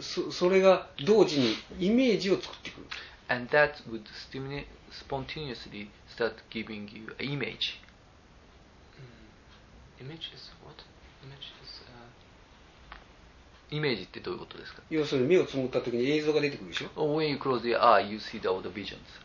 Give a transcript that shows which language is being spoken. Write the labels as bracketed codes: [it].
[ja] それが同時にイメージを作ってくる。 [en] And that would spontaneously start giving you an image. Image is what? Image is [ja] イメージってどういうことですか？要するに目をつむった時に映像が出てくるでしょ。 [en] When you close your eye, you see all the visions.